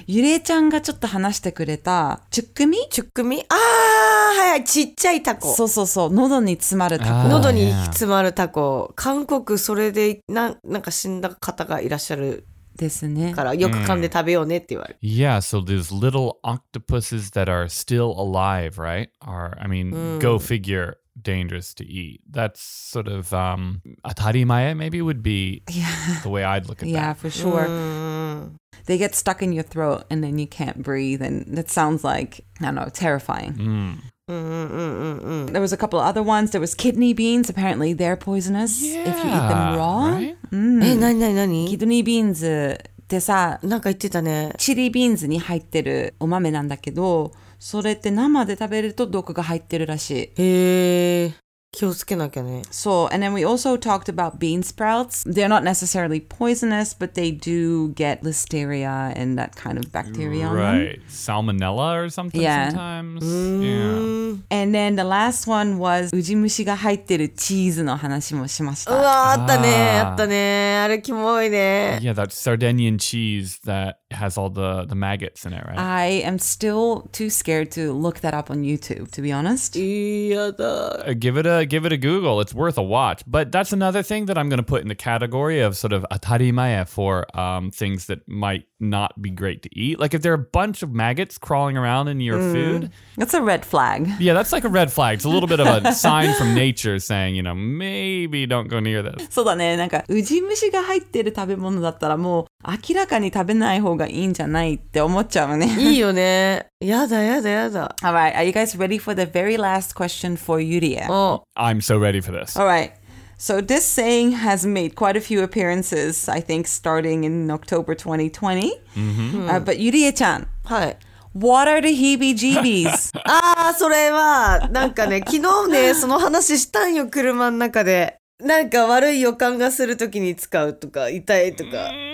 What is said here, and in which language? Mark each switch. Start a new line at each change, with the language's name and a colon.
Japanese: ゆりえちゃんがちょっと話してくれた、チュックミ？チュックミ？ああ、はいはい、ちっちゃいタコ。そうそうそう、喉に詰まるタコ。喉に詰まるタコ。韓国、それでなんか死んだ方がいらっしゃる。ですね。からよく噛んで食べようねって言われる。
English: Yeah, so these little octopuses that are still alive, right? Go figure. Dangerous to eat. That's sort of atarimae, maybe would be the way I'd look at that. Yeah, for sure. They get stuck in your throat and then you can't breathe, and that sounds like, I don't know, terrifying. There was a couple of other ones. There was kidney beans. Apparently, they're poisonous if you eat them raw.
Japanese: Kidney beans ってさ、なんか言ってたね。チリビーンズに入ってるお豆なんだけど。それって生で食べると毒が入ってるらしい。へえ、気をつけなきゃね。
English: そう、and then we also talked about bean sprouts. They're not necessarily poisonous, but they do get listeria and that kind of bacteria on them. Right, salmonella or something sometimes. And then the last one was
Japanese: ウジ虫が入ってるチーズの話もしました。うわあ、あったね、あったね、あれキモいね。
English: Yeah, that Sardinian cheese that has all the maggots in it, right? I am still too scared to look that up on YouTube, to be honest. Yeah, だ。 Give it a Google. It's worth a watch. But that's another thing that I'm going to put in the category of sort of atarimae for things that might not be great to eat. Like if there are a bunch of maggots crawling around in your food. That's a red flag. Yeah, that's like a red flag. It's a little bit of a sign from nature saying, you know, maybe don't go near this.
Japanese: そうだね。なんかウジ虫が入ってる食べ物だったらもう明らかに食べない方がいいんじゃないって思っちゃうね。いいよね。やだやだやだ。
English: All right, are you guys ready for the very last question for Yuria? Oh, I'm so ready for this. All right, so this saying has made quite a few appearances, I think, starting in October 2020. But Yuria-chan, hi. What are the heebie-jeebies?
Japanese: ah, それはなんかね、昨日ねその話したんよ車の中で。なんか悪い予感がするときに使うとか痛いとか。